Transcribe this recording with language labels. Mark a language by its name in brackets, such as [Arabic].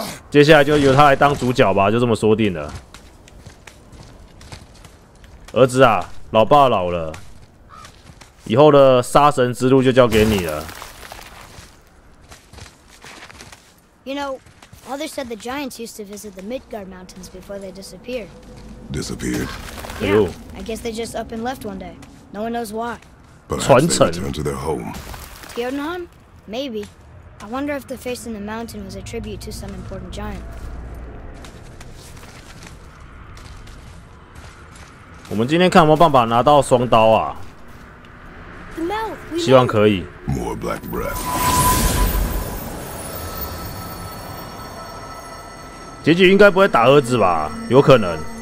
[Chinese] 接下来就由他来当主角吧，就这么说定了。儿子啊，老爸老了，以后的杀神之路就交给你了。 [English] You know, Others said the giants used to visit the Midgard Mountains before they disappeared. Disappeared? Yeah. I guess they just up and left one day. No one knows why. Perhaps they returned to their home. Tiernan? Maybe. I wonder if the face in the mountain was a tribute to some important giant. [Chinese] 我们今天看有没有办法拿到双刀啊？希望可以。 [English] More black breath. [Chinese] 结局应该不会打儿子吧？有可能。